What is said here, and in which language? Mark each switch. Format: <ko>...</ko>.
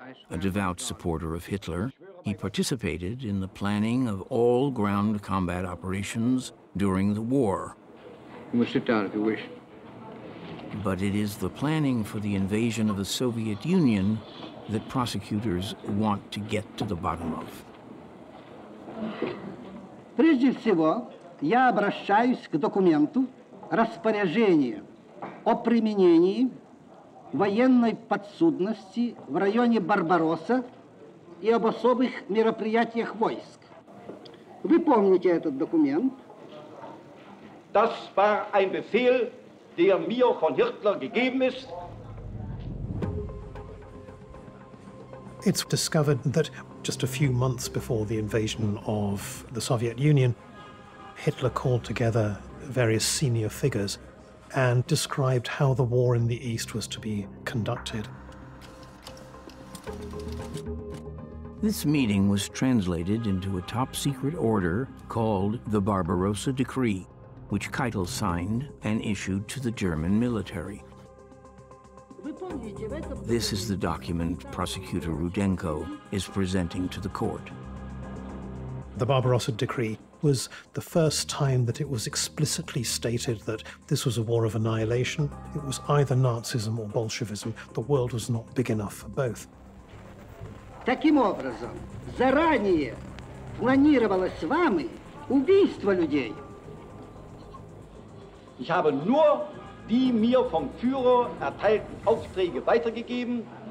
<en>A devout supporter of Hitler, he participated in the planning of all ground combat operations during the war. You may sit down if you wish. But it is the planning for the invasion of the Soviet Union that prosecutors want to get to the bottom of.</en> <ru>Прежде всего, я обращаюсь к документу распоряжения о применении военной подсудности в районе Барбаросса и об особых мероприятиях войск. Вы помните этот документ?</ru> <de>Das war ein Befehl, der mir von Hitler gegeben ist.</de> <en>It's discovered that just a few months before the invasion of the Soviet Union, Hitler called together various senior figures and described how the war in the East was to be conducted. This meeting was translated into a top-secret order called the Barbarossa Decree, which Keitel signed and issued to the German military. This is the document Prosecutor Rudenko is presenting to the court. The Barbarossa Decree was the first time that it was explicitly stated that this was a war of annihilation. It was either Nazism or Bolshevism. The world was not big enough for both.</en> <ru>Таким образом, заранее планировалось вами убийство людей.</ru> <de>Ich habe nur die mir vom Führer erteilten Aufträge weitergegeben.</de>